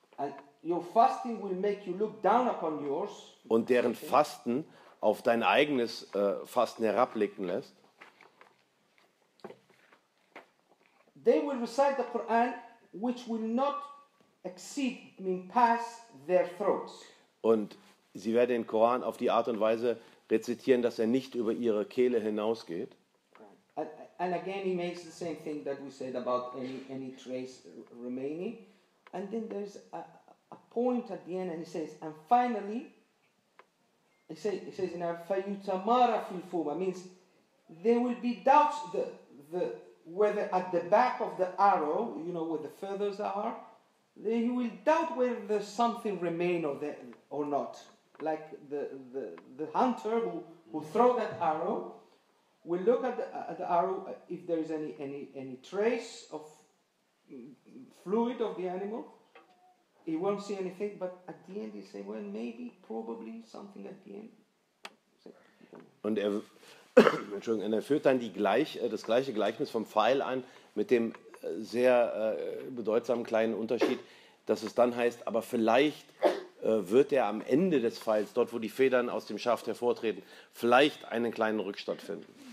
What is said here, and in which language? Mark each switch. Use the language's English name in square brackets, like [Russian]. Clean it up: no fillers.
[English] And your fasting will make you look down upon yours. [German] Und deren Fasten auf dein eigenes Fasten herabblicken lässt. [English] They will recite the Quran, which will not exceed, mean pass their throats. [German] Und sie werden den Koran auf die Art und Weise rezitieren, dass er nicht über ihre Kehle hinausgeht. [English] And again, he makes the same thing that we said about any trace remaining. And then there's a point at the end, and he says, and finally, he says in Arabic, [Arabic] "Fayutamara fil fuma," [English] means there will be doubts whether at the back of the arrow, you know, where the feathers are, then you will doubt whether there's something remain or not. Like the hunter who throw that arrow will look at the arrow if there is any trace of fluid of the animal. He won't see anything, but at the end he say, well, maybe, probably something at the end. [German] Und er Entschuldigung, er führt dann das gleiche Gleichnis vom Pfeil an, mit dem sehr bedeutsamen kleinen Unterschied, dass es dann heißt, aber vielleicht wird er am Ende des Pfeils, dort wo die Federn aus dem Schaft hervortreten, vielleicht einen kleinen Rückstand finden.